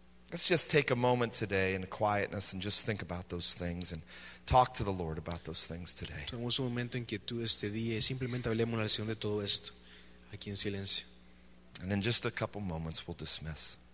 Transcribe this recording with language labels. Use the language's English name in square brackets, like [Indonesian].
[English] Let's just take a moment today in the quietness and just think about those things and talk to the Lord about those things today. [Spanish] Tomemos un momento en quietud este día y simplemente hablemos al Señor de todo esto aquí en silencio. [English] And in just a couple moments we'll dismiss.